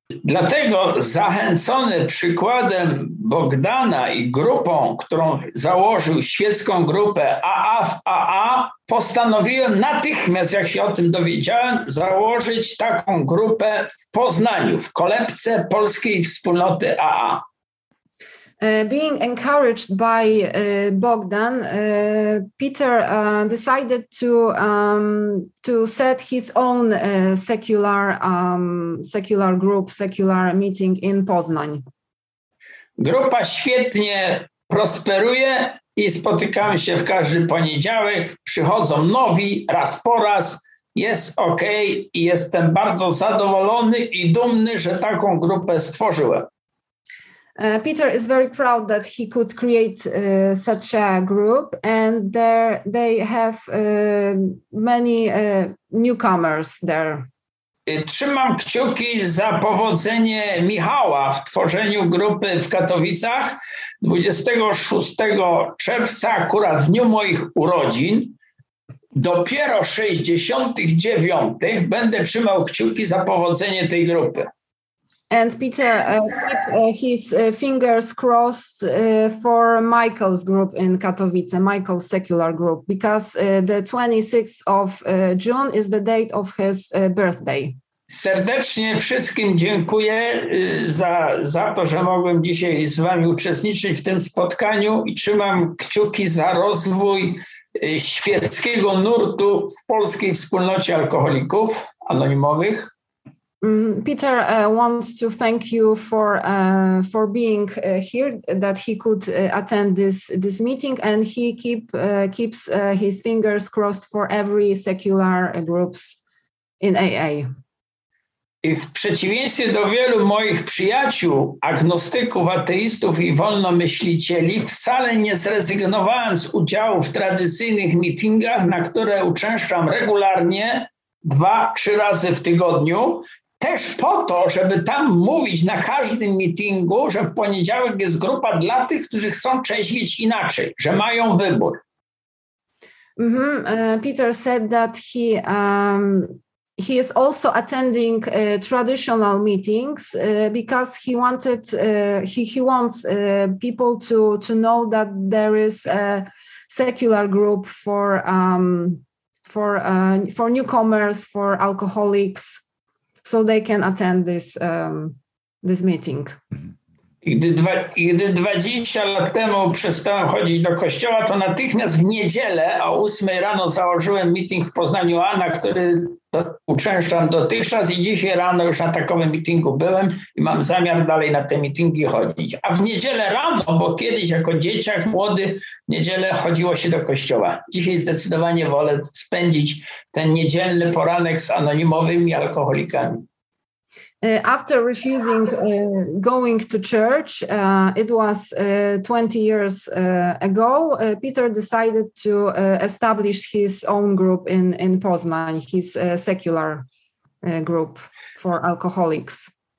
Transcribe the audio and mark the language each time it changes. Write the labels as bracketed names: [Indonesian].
[Polish] Dlatego zachęcony przykładem Bogdana i grupą, którą założył, świecką grupę AA w AA, postanowiłem natychmiast, jak się o tym dowiedziałem, założyć taką grupę w Poznaniu, w kolebce polskiej wspólnoty AA. [English] Being encouraged by Bogdan, Peter decided to set his own secular group, secular meeting in Poznań. [Polish] Grupa świetnie prosperuje i spotykamy się w każdy poniedziałek. Przychodzą nowi raz po raz. Jest ok i jestem bardzo zadowolony i dumny, że taką grupę stworzyłem. [English] Peter is very proud that he could create such a group, and there they have many newcomers there. [Polish] Trzymam kciuki za powodzenie Michała w tworzeniu grupy w Katowicach 26 czerwca, akurat w dniu moich urodzin. Dopiero 69 będę trzymał kciuki za powodzenie tej grupy. [English] And Peter keep his fingers crossed for Michael's group in Katowice, Michael's secular group, because the 26th of June is the date of his birthday. [Polish] Serdecznie wszystkim dziękuję za to, że mogłem dzisiaj z wami uczestniczyć w tym spotkaniu i trzymam kciuki za rozwój świeckiego nurtu w polskiej wspólnocie alkoholików anonimowych. [English] Peter wants to thank you for being here, that he could attend this meeting, and he keeps his fingers crossed for every secular groups in AA. [Polish] I w przeciwieństwie do wielu moich przyjaciół, agnostyków, ateistów i wolnomyślicieli, wcale nie zrezygnowałem z udziału w tradycyjnych meetingach, na które uczęszczam regularnie 2-3 razy w tygodniu, też po to, żeby tam mówić na każdym meetingu, że w poniedziałek jest grupa dla tych, którzy chcą trzeźwić inaczej, że mają wybór. Mm-hmm. [English] Peter said that he is also attending traditional meetings because he wanted he wants people to know that there is a secular group for newcomers, for alcoholics, so they can attend this meeting. [Polish] Gdy 20 lat temu przestałem chodzić do kościoła, to natychmiast w niedzielę o 8 rano założyłem meeting w Poznaniu A, na który uczęszczam dotychczas, i dzisiaj rano już na takowym meetingu byłem i mam zamiar dalej na te meetingi chodzić. A w niedzielę rano, bo kiedyś jako dzieciak młody w niedzielę chodziło się do kościoła. Dzisiaj zdecydowanie wolę spędzić ten niedzielny poranek z anonimowymi alkoholikami. [English] After refusing going to church, it was 20 years ago, Peter decided to establish his own group in Poznań, his secular group for alcoholics.